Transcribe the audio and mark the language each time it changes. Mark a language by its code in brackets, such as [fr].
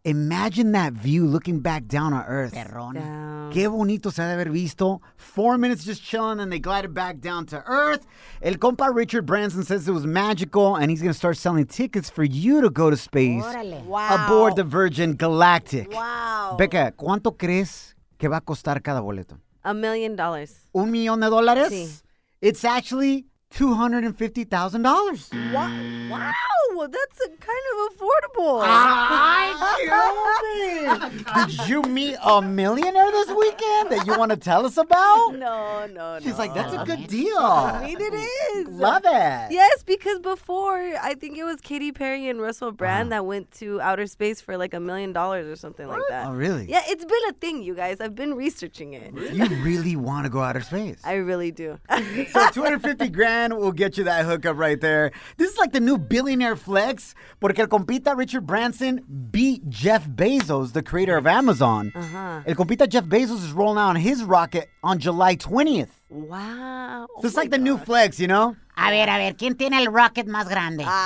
[en] Imagine that view looking back down on Earth. [es] Perrón. Qué bonito se ha de haber visto. [en] 4 minutes just chilling and they glided back down to Earth. El compa Richard Branson says it was magical and he's going to start selling tickets for you to go to space. [es] Órale. [en] Wow. Aboard the Virgin Galactic. Wow. [es] Becca, ¿cuánto crees que va a costar cada boleto? [en] $1,000,000. $1,000,000? [es] Sí. [en] It's actually $250,000. What? Wow, that's a kind of affordable. I killed it. Did you meet a millionaire this weekend that you want to tell us about? No. She's like, that's a good deal. I mean, it is. Love it. Yes, because before, I think it was Katy Perry and Russell Brand that went to outer space for like $1,000,000 or something what? Like that. Oh, really? Yeah, it's been a thing, you guys. I've been researching it. You really want to go outer space? I really do. So $250,000 will get you that hookup right there. This is like the new billionaire flex, [es] porque el compita [en] Richard Branson beat Jeff Bezos, the creator of Amazon. Uh-huh. El compita Jeff Bezos is rolling out on his rocket on July 20th. Wow. So it's like the new flex, you know? [es] A ver, ¿quién tiene el rocket más grande?